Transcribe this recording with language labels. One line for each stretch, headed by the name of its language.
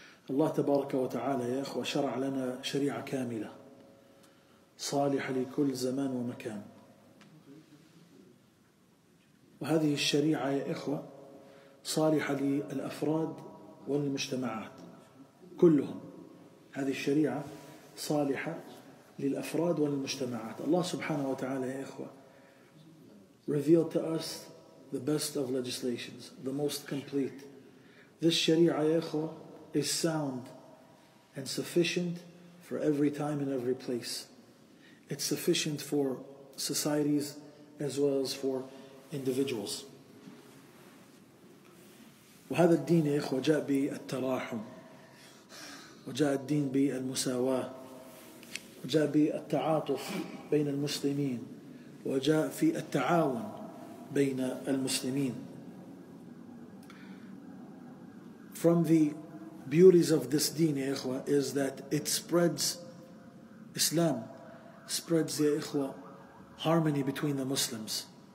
Arabic: الله تبارك وتعالى يا أخوة شرع لنا شريعة كاملة صالحة لكل زمان ومكان، وهذه الشريعة يا أخوة صالحة للأفراد والمجتمعات كلهم. هذه الشريعة صالحة للأفراد والمجتمعات. الله سبحانه وتعالى يا إخوة
English: revealed to us the best of legislations, the most complete. This شريعة
Arabic: يا إخوة
English: is sound and sufficient for every time and every place. It's sufficient for societies as well as for individuals.
Arabic: وهذا الدين يا إخوة جاء بالتراحم، وجاء الدين بالمساواة، جاء بالتعاطف بين المسلمين، وجاء في التعاون بين المسلمين.
English: From the beauties of this deen,
Arabic: يا إخوة,
English: is that it spreads Islam, spreads, يا إخوة, harmony between the Muslims.